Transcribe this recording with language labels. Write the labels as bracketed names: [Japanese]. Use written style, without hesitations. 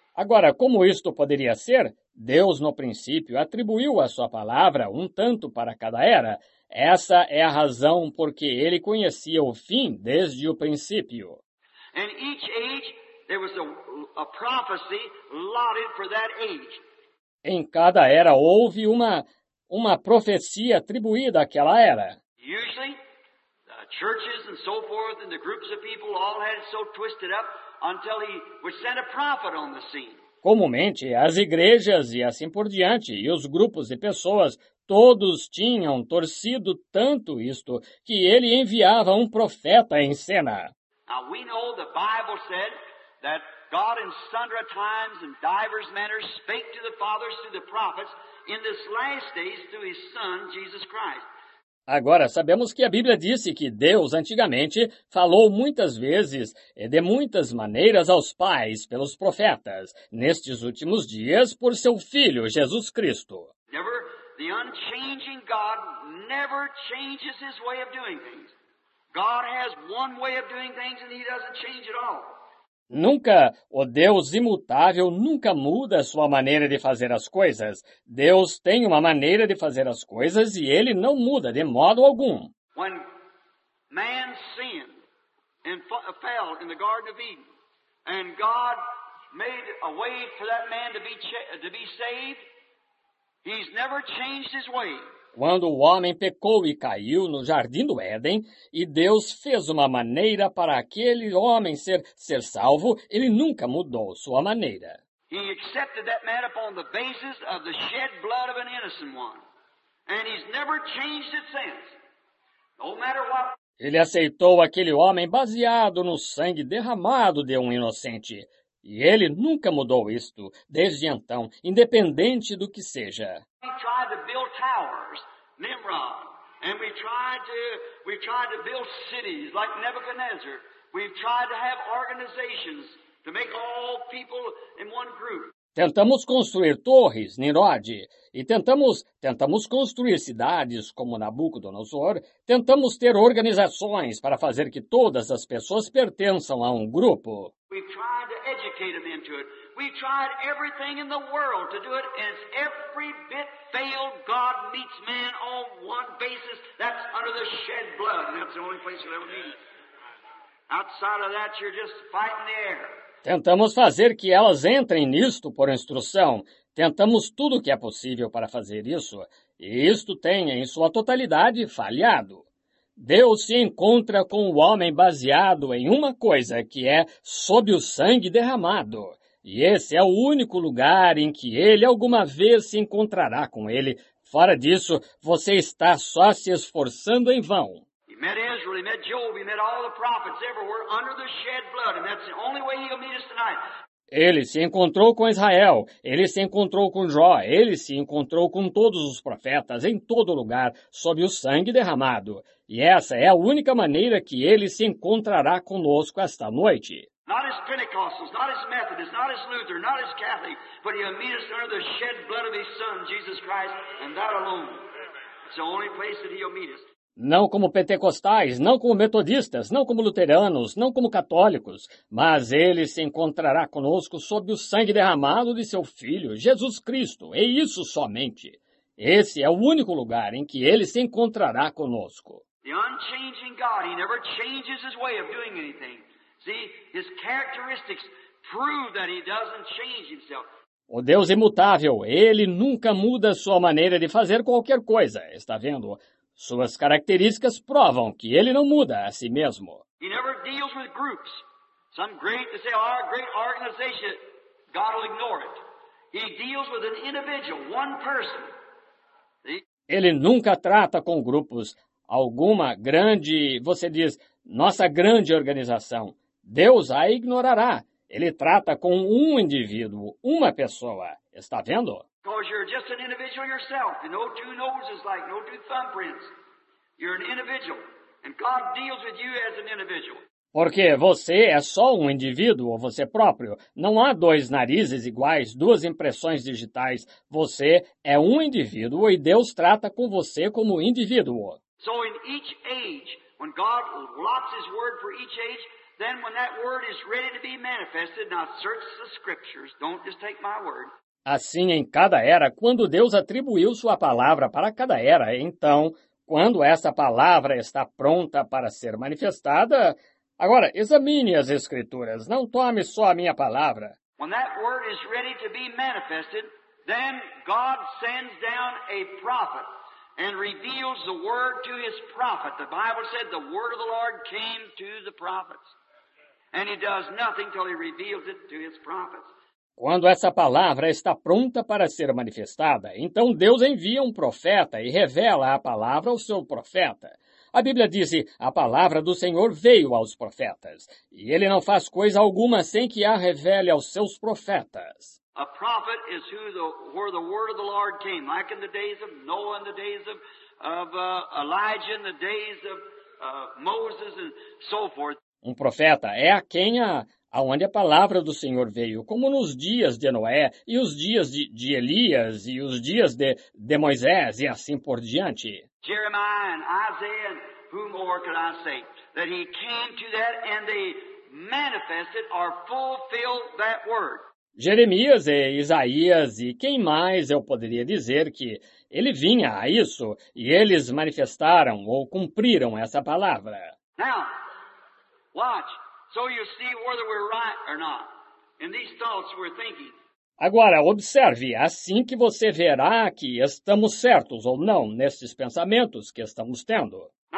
[Portuguese] Agora, como isto poderia ser? Deus, no princípio, atribuiu a sua palavra um tanto para cada era. Essa é a razão porque ele conhecia o fim desde o princípio. [English] And each age, there was a prophecy lauded for that age. [Portuguese] Em cada era houve uma profecia atribuída àquela era. [English] Usually, the churches and so forth and the groups of people all had it so twisted up until he would send a prophet on the scene. [Portuguese] Comumente, as igrejas e assim por diante, e os grupos de pessoas, todos tinham torcido tanto isto que ele enviava um profeta em cena. [English] Now we know the Bible said that God in sundry times and divers manners spake to the fathers through the prophets in this last days through his son Jesus Christ. [Portuguese] Agora, sabemos que a Bíblia disse que Deus, antigamente, falou muitas vezes e de muitas maneiras aos pais pelos profetas, nestes últimos dias, por seu Filho, Jesus Cristo. [English] Never, the unchanging God never changes his way of doing things. God has one way of doing things and he doesn't change at all. [Portuguese] Nunca, o Deus imutável nunca muda a sua maneira de fazer as coisas. Deus tem uma maneira de fazer as coisas e ele não muda de modo algum. [English] When man sinned and fell in the Garden of Eden, and God made a way for that man to be saved, he's never changed his way. [Portuguese] Quando o homem pecou e caiu no jardim do Éden, e Deus fez uma maneira para aquele homem ser salvo, ele nunca mudou sua maneira. [English] He accepted that man upon the basis of the shed blood of an innocent one. And he's never changed it since. No matter what. [Portuguese] Ele aceitou aquele homem baseado no sangue derramado de um inocente. E ele nunca mudou isto, desde então, independente do que seja. [English] We tried to build towers, Nimrod. And we tried to build cities like Nebuchadnezzar. We've tried to have organizations to make all people in one group. [Portuguese] Tentamos construir torres, Nimrod, e tentamos construir cidades como Nabucodonosor. Tentamos ter organizações para fazer que todas as pessoas pertençam a um grupo. [English] We tried to educate them into it. We tried everything in the world to do it, and it's every bit failed. God meets man on one basis. That's under the shed blood, and that's the only place you'll ever meet. Outside of that, you're just fighting the air. [Portuguese] Tentamos fazer que elas entrem nisto por instrução. Tentamos tudo o que é possível para fazer isso. E isto tem, em sua totalidade, falhado. Deus se encontra com o homem baseado em uma coisa, que é sob o sangue derramado. E esse é o único lugar em que ele alguma vez se encontrará com ele. Fora disso, você está só se esforçando em vão. [English] He met Ezra, he met Job, he met all the prophets everywhere under the shed blood, and that's the only way he'll meet us tonight. [Portuguese] Ele se encontrou com Israel, ele se encontrou com Jó, ele se encontrou com todos os profetas em todo lugar, sob o sangue derramado. E essa é a única maneira que ele se encontrará conosco esta noite. [English] Not as Pentecostals, not as Methodists, not as Luther, not as Catholic, but he'll meet us under the shed blood of his son, Jesus Christ, and that alone. It's the only place that he'll meet us. [Portuguese] Não como pentecostais, não como metodistas, não como luteranos, não como católicos, mas ele se encontrará conosco sob o sangue derramado de seu Filho, Jesus Cristo, e isso somente. Esse é o único lugar em que ele se encontrará conosco. [English] The unchanging God, he never changes his way of doing anything. See, his characteristics prove that he doesn't change himself. [Portuguese] O Deus imutável, ele nunca muda sua maneira de fazer qualquer coisa, está vendo? Suas características provam que ele não muda a si mesmo. [English] He never deals with groups. Some great to say, oh, great organization, God will ignore it. He deals with an individual, one person. See? [Portuguese] Ele nunca trata com grupos. Alguma grande, você diz, nossa grande organização. Deus a ignorará. Ele trata com um indivíduo, uma pessoa. Está vendo? [English] Because you're just an individual yourself, and no two noses like, no two thumbprints. You're an individual, and God deals with you as an individual. [Portuguese] Porque você é só um indivíduo, você próprio. Não há dois narizes iguais, duas impressões digitais. Você é um indivíduo, e Deus trata com você como indivíduo. [English] So in each age, when God locks his word for each age, then when that word is ready to be manifested, now search the scriptures, don't just take my word. [Portuguese] Assim, em cada era, quando Deus atribuiu sua palavra para cada era, então, quando essa palavra está pronta para ser manifestada, agora, examine as Escrituras, não tome só a minha palavra. [English] When that word is ready to be manifested, then God sends down a prophet and reveals the word to his prophet. The Bible said the word of the Lord came to the prophets, and he does nothing till he reveals it to his prophets. [Portuguese] Quando essa palavra está pronta para ser manifestada, então Deus envia um profeta e revela a palavra ao seu profeta. A Bíblia diz, a palavra do Senhor veio aos profetas, e ele não faz coisa alguma sem que a revele aos seus profetas. [English] A prophet is who the, where the word of the Lord came, like in the days of Noah, in the days of Elijah, in the days of Moses, and so forth. [Portuguese] Um profeta é a quem aonde a palavra do Senhor veio, como nos dias de Noé, e os dias de Elias, e os dias de Moisés, e assim por diante. [English] Jeremiah and Isaiah, and who more could I say? That he came to that and they manifested or fulfilled that word. [Portuguese] Jeremias e Isaías, e quem mais eu poderia dizer que ele vinha a isso, e eles manifestaram ou cumpriram essa palavra. [English] Now, watch. So you see whether we're right or not. In these thoughts we're thinking. [Portuguese] Agora, observe, assim que você verá que estamos certos ou não nesses pensamentos que estamos tendo.